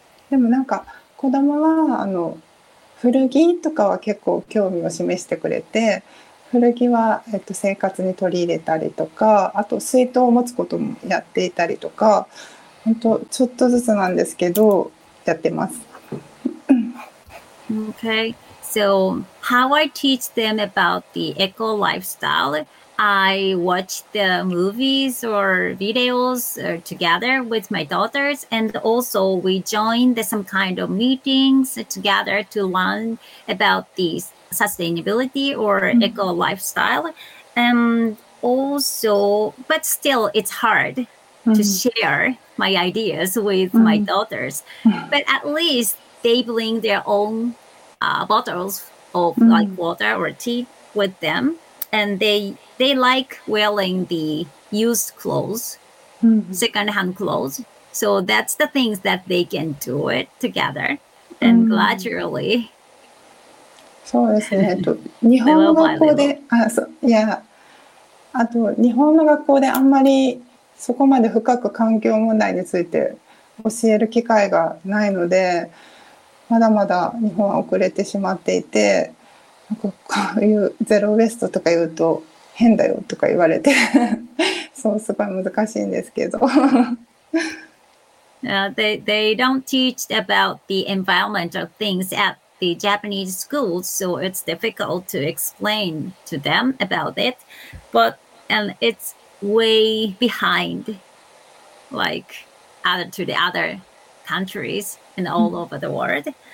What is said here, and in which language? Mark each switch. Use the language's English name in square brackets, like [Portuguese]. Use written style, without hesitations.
[Japanese] でもなんか子供は古着とかは結構興味を示してくれて、古着は生活に取り入れたりとか、あと水筒を持つこともやっていたりとか、本当ちょっとずつなんですけどやってます。 [English] Okay, so how I teach them about the eco lifestyle, I watch the movies or videos together with my daughters, and also we join the, some kind of meetings together to learn about the sustainability or eco lifestyle. And also, but still it's hard to share my ideas with my daughters, but at least they bring their own bottles of like water or tea with them, and they like wearing the used clothes, secondhand clothes. So that's the things that they can do it together and gradually. So it's Japanese [Japanese] そこまで深く環境問題について教える機会がないので、まだまだ日本は遅れてしまっていて、なんかこういうゼロウェストとか言うと変だよとか言われてそうすごい難しいんですけど [English] they don't teach about the environmental things at the Japanese schools, so it's difficult to explain to them about it, but and it'sway behind like other to the other countries and all over the world.